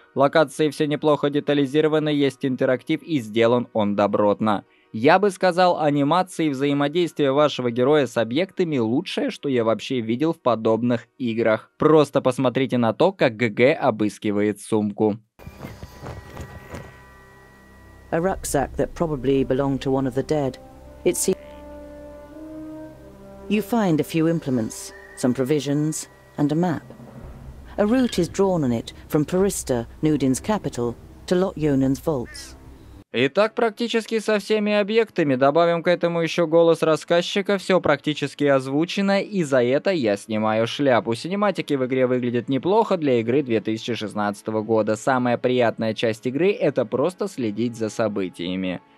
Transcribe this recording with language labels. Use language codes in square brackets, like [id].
[ru] Локации все неплохо детализированы, есть интерактив и сделан он добротно. Я бы сказал, анимация и взаимодействие вашего героя с объектами лучшее, что я вообще видел в подобных играх. Просто посмотрите на то, как ГГ обыскивает сумку. [en] A rucksack that probably belonged to one of the dead. It seems you find a few implements, some provisions, and a map. A route is drawn on it from Parista, Nudin's capital, to Lot Yonan's vaults. [ru] Итак, практически со всеми объектами. Добавим к этому еще голос рассказчика, все практически озвучено, и за это я снимаю шляпу. Синематики в игре выглядят неплохо для игры 2016 года. Самая приятная часть игры — это просто следить за событиями.